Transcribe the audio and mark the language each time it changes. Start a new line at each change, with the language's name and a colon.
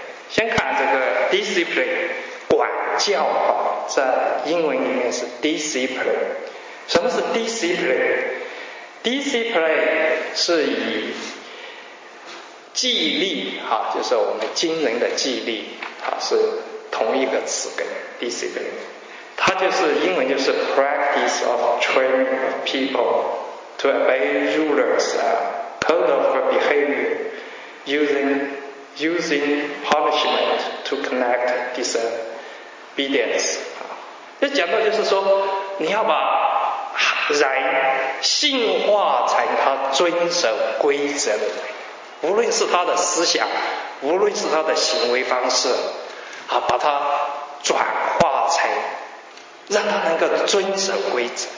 Chinese: 先看这个 discipline 管教哈，在英文里面是 discipline。什么是 discipline？ discipline 是以纪律哈，就是我们军人的纪律哈，是同一个词根 discipline。它就是英文就是
English: practice of training people to obey rulers code of behavior using punishment to connect disobedience。
Chinese: 这讲到就是说，你要把人驯化成他遵守规则的人，无论是他的思想，无论是他的行为方式，把他转化成让他能够遵守规则。